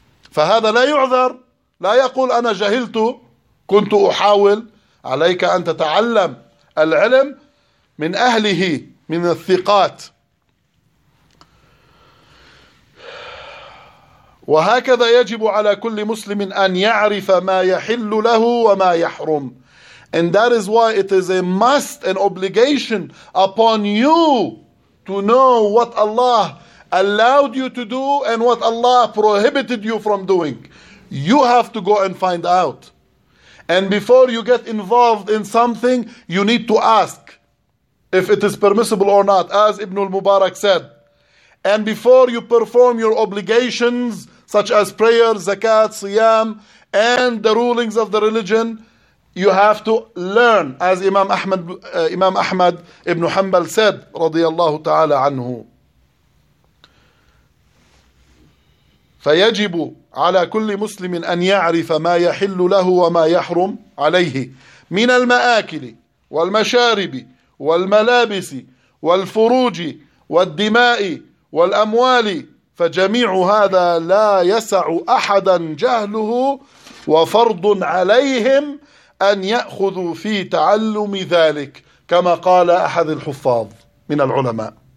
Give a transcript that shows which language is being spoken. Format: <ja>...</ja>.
<ar>فهذا لا يعذر، لا يقول أنا جهلت كنت أحاول. عليك أن تتعلم العلم من أهله، من الثقات. وهكذا يجب على كل مسلم أن يعرف ما يحل له وما يحرم.</ar> <en>And that is why it is a must, an obligation upon you to know what Allah allowed you to do and what Allah prohibited you from doing. You have to go and find out. And before you get involved in something, you need to ask if it is permissible or not, as Ibn al-Mubarak said. And before you perform your obligations, such as prayer, zakat, siyam, and the rulings of the religion, you have to learn, as Imam Ahmad ibn Hanbal said, radiyallahu ta'ala anhu.</en> <ar>فيجب على كل مسلم أن يعرف ما يحل له وما يحرم عليه من المآكل والمشارب والملابس والفروج والدماء والأموال، فجميع هذا لا يسع أحدا جهله، وفرض عليهم أن يأخذوا في تعلم ذلك كما قال أحد الحفاظ من العلماء.</ar>